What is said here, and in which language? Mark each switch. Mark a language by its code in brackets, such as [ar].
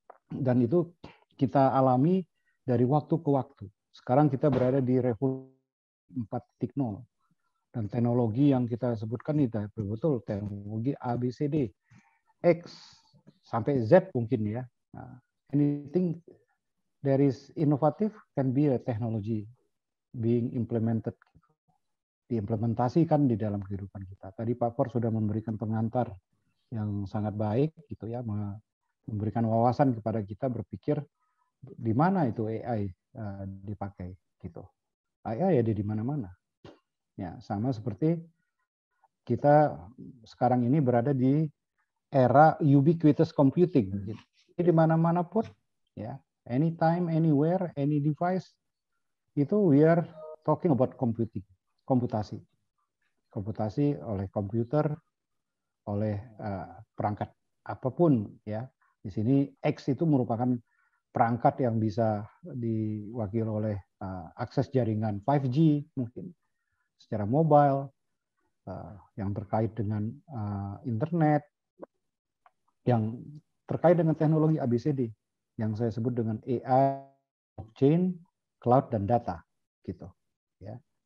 [id] Dan itu kita alami dari waktu ke waktu. Sekarang kita berada di revolusi 4.0. Dan teknologi yang kita sebutkan itu betul teknologi ABCD, X sampai Z mungkin ya. [en] Nah, anything that is innovative can be a technology being implemented. [id] Diimplementasikan di dalam kehidupan kita. Tadi Pak Por sudah memberikan pengantar yang sangat baik, gitu ya, memberikan wawasan kepada kita berpikir di mana itu AI dipakai, gitu. AI ada di mana-mana. Ya, sama seperti kita sekarang ini berada di era ubiquitous computing. Gitu. Jadi di mana-mana pun, ya, [en] anytime, anywhere, any device, [id] itu [en] we are talking about computing. [id] Komputasi oleh komputer, oleh perangkat apapun ya. Di sini X itu merupakan perangkat yang bisa diwakil oleh akses jaringan 5G mungkin secara mobile yang terkait dengan internet, yang terkait dengan teknologi ABCD yang saya sebut dengan AI, blockchain, cloud dan data gitu ya.